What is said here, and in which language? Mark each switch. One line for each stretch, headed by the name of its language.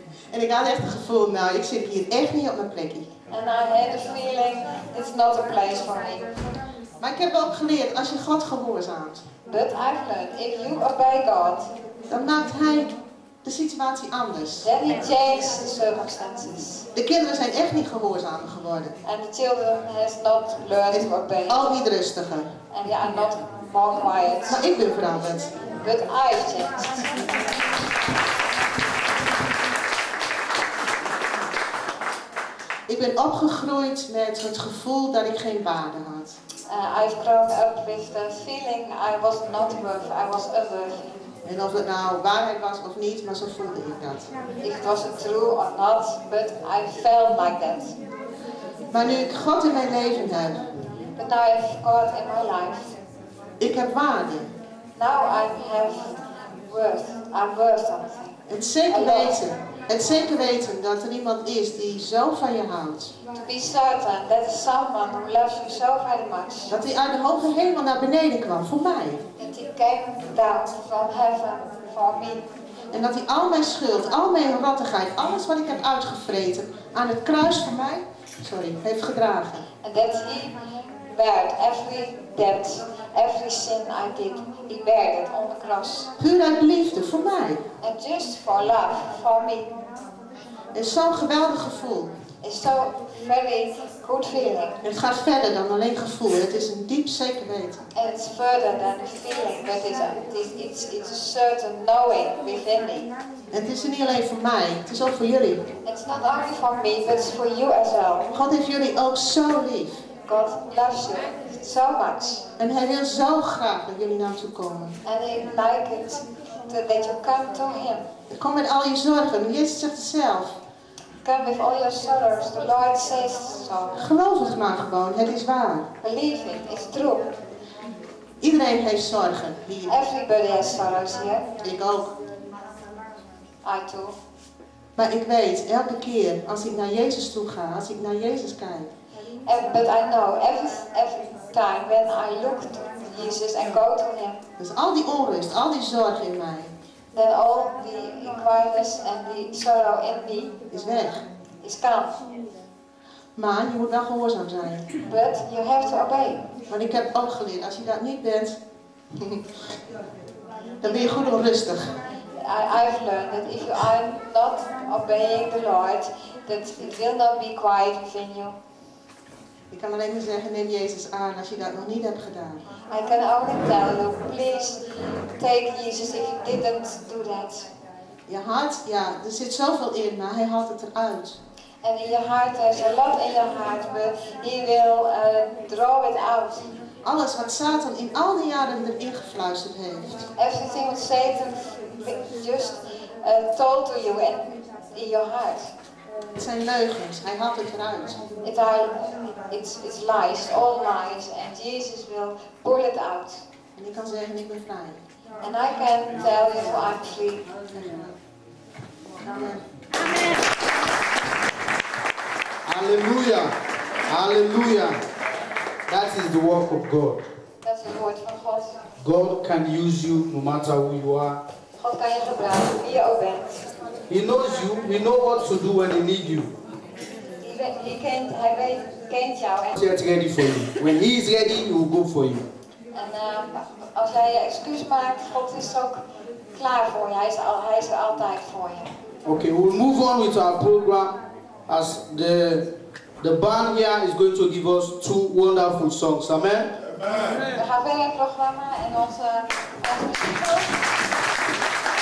Dutch: En ik had echt het gevoel, nou, ik zit hier echt niet op mijn plekje.
English: And I had a feeling, it's not a place for me.
Dutch: Maar ik heb ook geleerd, als je God gehoorzaamt.
English: But I've learned, if you obey God.
Dutch: Dan maakt hij de situatie anders.
English: Then he changes the circumstances.
Dutch: De kinderen zijn echt niet gehoorzamer geworden.
English: And the children has not learned to obey.
Dutch: Al niet rustiger.
English: And they are not more quiet.
Dutch: Maar ik ben veranderd.
English: But I've changed.
Dutch: Ik ben opgegroeid met het gevoel dat ik geen waarde had.
English: I've grown up with the feeling I was not worth, I was unworthy.
Dutch: En of het nou waarheid was of niet, maar zo voelde ik dat.
English: If it was true or not, but I felt like that.
Dutch: Maar nu ik God in mijn leven heb.
English: But now I have God in my life.
Dutch: Ik heb waarde.
English: Now I have worth, I'm worth something.
Dutch: Het zeker weten. Het zeker weten dat er iemand is die zo van je houdt.
English: To be certain that is someone who loves you so very much.
Dutch: Dat hij uit de hoge hemel naar beneden kwam voor mij.
English: That he came down from heaven for me.
Dutch: En dat hij al mijn schuld, al mijn rottigheid, alles wat ik heb uitgevreten aan het kruis voor mij, sorry, heeft gedragen.
English: And that he bared every debt, every sin I did. He bared it on the cross.
Dutch: Puur uit liefde voor mij.
English: And just for love, for me.
Dutch: Is zo'n geweldig gevoel.
English: It's so very good feeling.
Dutch: Het gaat verder dan alleen gevoel. Het is een diep zeker weten.
English: It's further than a feeling, but it's a certain knowing within me.
Dutch: Het is er niet alleen voor mij, het is ook voor jullie.
English: It's not only for me, but it's for you as well.
Dutch: God heeft jullie ook zo lief.
English: God loves you so much.
Dutch: En hij wil zo graag dat jullie naartoe komen.
English: And he like it to that you come to him.
Dutch: Kom met al je zorgen. Jezus zegt het zelf.
English: Come with all your sorrows. The Lord says so.
Dutch: Geloof het maar gewoon. Het is waar.
English: Believe it. It's true.
Dutch: Iedereen heeft zorgen hier.
English: Everybody has sorrows here.
Dutch: Ik ook.
English: I too.
Dutch: Maar ik weet, elke keer als ik naar Jezus toe ga, als ik naar Jezus kijk.
English: But I know, every time when I look to Jesus and go to him.
Dutch: Dus al die onrust, al die zorg in mij.
English: Then all the inquiries and the sorrow in me.
Dutch: Is weg.
English: Is gone.
Dutch: Maar je moet wel gehoorzaam zijn.
English: But you have to obey.
Dutch: Want ik heb ook geleerd, als je dat niet bent, dan ben je goed onrustig.
English: I've learned that if you are not obeying the Lord, that it will not be quiet within you.
Dutch: Ik kan alleen maar zeggen, neem Jezus aan als je dat nog niet hebt gedaan.
English: I can only tell you, please take Jesus if you didn't do that.
Dutch: Je hart, ja, er zit zoveel in, maar hij haalt het eruit.
English: And in your heart, there's a lot in your heart, but he will draw it out.
Dutch: Alles wat Satan in al die jaren erin gefluisterd heeft.
English: Everything that Satan just told to you in your heart.
Dutch: Het zijn leugens. Hij haalt het eruit.
English: It's lies, all lies, and Jesus will pull it out.
Dutch: En ik kan zeggen, ik ben vrij.
English: And I can tell you, I'm free. Amen. Halleluja. Halleluja. That is the work of God. That's the word from God. God can use you no matter who you are.
Dutch: God kan je gebruiken wie je ook bent.
English: He knows you. He knows what to do when he needs you. He can't
Dutch: jou.
English: He's ready for you. When he is ready, he will go for you.
Dutch: And als jij je excuus maakt, God is ook klaar voor je. Hij is er altijd voor je.
English: Okay, we'll move on with our program as the band here is going to give us two wonderful songs. Amen.
Dutch: We gaan verder het programma en onze muziek.